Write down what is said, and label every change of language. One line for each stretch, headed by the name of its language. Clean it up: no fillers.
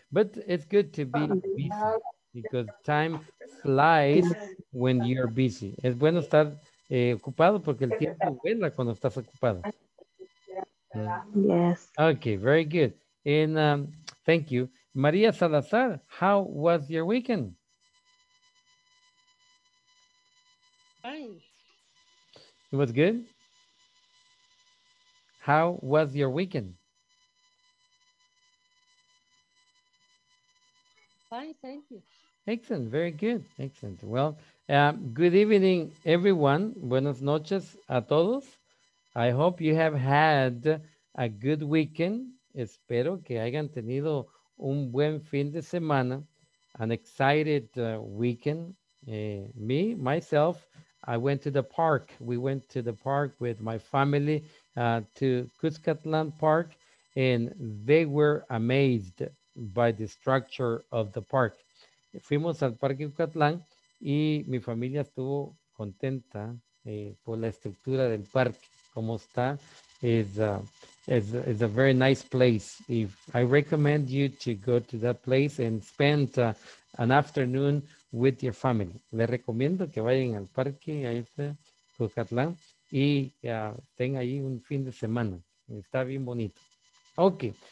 English: But it's good to be busy because time flies when you're busy.
Spanish: Es bueno estar ocupado porque el tiempo vuela cuando estás ocupado.
English: Yes. Okay, very good. And thank you. María Salazar, how was your weekend? Fine. It was good. How was your weekend? Fine, thank you. Excellent, very good. Excellent. Well, good evening, everyone.
Spanish: Buenas noches a todos.
English: I hope you have had a good weekend.
Spanish: Espero que hayan tenido un buen fin de semana,
English: an excited weekend. Me, myself, I went to the park. We went to the park with my family to Cuscatlan Park, and they were amazed by the structure of the park.
Spanish: Fuimos al Parque Cuscatlán y mi familia estuvo contenta por la estructura del parque. Como está,
English: is a very nice place. If I recommend you to go to that place and spend an afternoon with your family,
Spanish: le recomiendo que vayan al parque a este Cuscatlán y tengan ahí un fin de semana. Está bien bonito. Ok.